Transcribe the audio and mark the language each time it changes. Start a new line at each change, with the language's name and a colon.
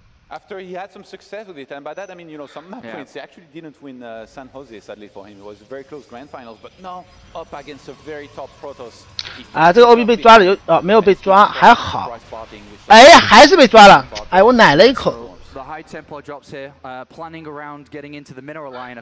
English: After he had some success with it, and by that I mean, you know, some map points, he actually didn't win San Jose, sadly for him. It was very close grand finals, but now up against a very top Protoss.
Chinese: 啊，这个 OB 被抓了，没有被抓，还好。哎，还是被抓了。哎，我奶了一口。
English: The high tempo drops here, planning around getting into the mineral line.